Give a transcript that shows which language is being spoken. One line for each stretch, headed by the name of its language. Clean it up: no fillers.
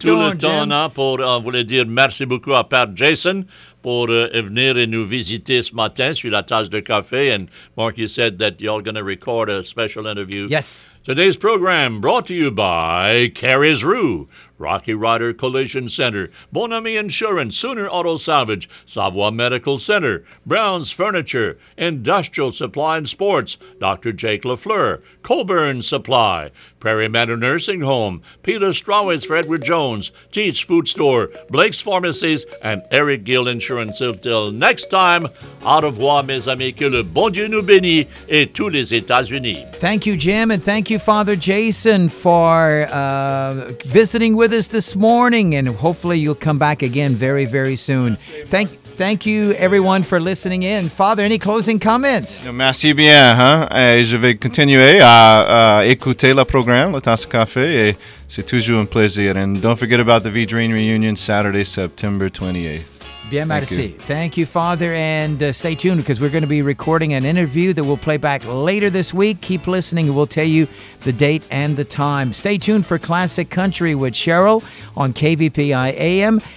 French: C'est tout le temps, hein, pour vous dire merci beaucoup à Père Jason pour venir et nous visiter ce matin sur la tasse de café.
English: And Mark, you said that you're going to record a special interview. Yes. Today's program brought to you by Carey's Rue, Rocky Rider Collision Center, Bon Ami Insurance, Sooner Auto Salvage, Savoie Medical Center, Brown's Furniture, Industrial Supply and Sports, Dr. Jake LaFleur, Colburn Supply, Prairie Manor Nursing Home, Peter Strawitz for Edward Jones, Teach Food Store, Blake's Pharmacies, and Eric Gill Insurance. Until next time,
French: au revoir, mes amis, que le bon Dieu nous bénisse et tous les États-Unis.
English: Thank you, Jim, and thank you, Father Jason, for visiting with us this morning, and hopefully you'll come back again very, very soon. Thank you, everyone, for listening in. Father, any closing comments?
French: Merci bien. Je vais continuer à écouter le programme, La Tasse Café. Et c'est toujours un plaisir.
English: And don't forget about the V-Dream Reunion, Saturday, September 28th.
French: Bien, merci.
English: Thank you, Father. And stay tuned, because we're going to be recording an interview that we'll play back later this week. Keep listening, and we'll tell you the date and the time. Stay tuned for Classic Country with Cheryl on KVPI AM.